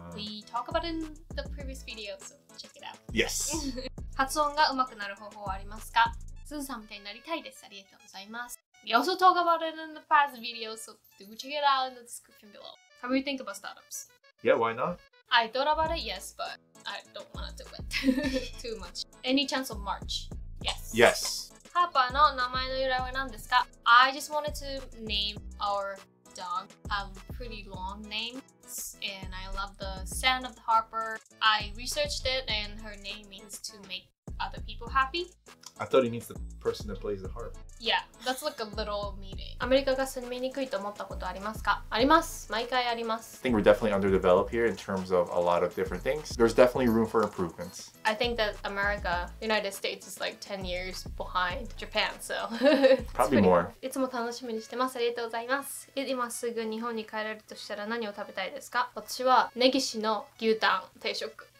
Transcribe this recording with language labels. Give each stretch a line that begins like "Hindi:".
English: We talked about it in the previous video, so check it out. Yes.
Japanese: 発音がうまくなる方法はありますか?Suzu san みたいになりたいです。ありがとうございます。
English: We also talked about it in the past video, so do check it out in the description below. How do you think about startups? Yeah, why not? I thought about it, yes, but I don't want to do it too much. Any chance of March? Yes. Yes.
Japanese: ハーパーの名前の由来は何ですか?
English: I just wanted to name our dog a pretty long name. And I love the sound of the Harper. I researched it and her name means to make other people happy. I thought it means the person that plays the harp. Yeah, that's like a little meaning.
Japanese: アメリカが住みにくいと思ったことありますか? あります。毎回あります。
English: I think we're definitely underdeveloped here in terms of a lot of different things. There's definitely room for improvements. I think that America, United States is like 10 years behind Japan, so... Probably more.
Japanese: いつも楽しみにしてます。ありがとうございます。今すぐ日本に帰れるとしたら何を食べたいですか? 私はネギシの牛タン定食。